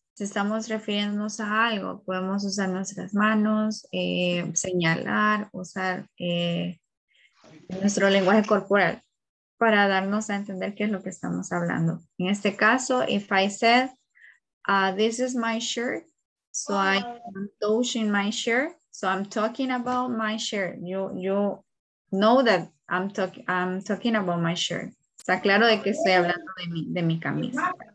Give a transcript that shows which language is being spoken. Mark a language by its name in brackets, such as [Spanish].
[Spanish] Si estamos refiriéndonos a algo, podemos usar nuestras manos, señalar, usar nuestro lenguaje corporal para darnos a entender qué es lo que estamos hablando. En este caso, [English] if I said, this is my shirt, so I'm touching my shirt, so I'm talking about my shirt. You know that I'm talking about my shirt. [Spanish] Está claro de que estoy hablando de mi camisa.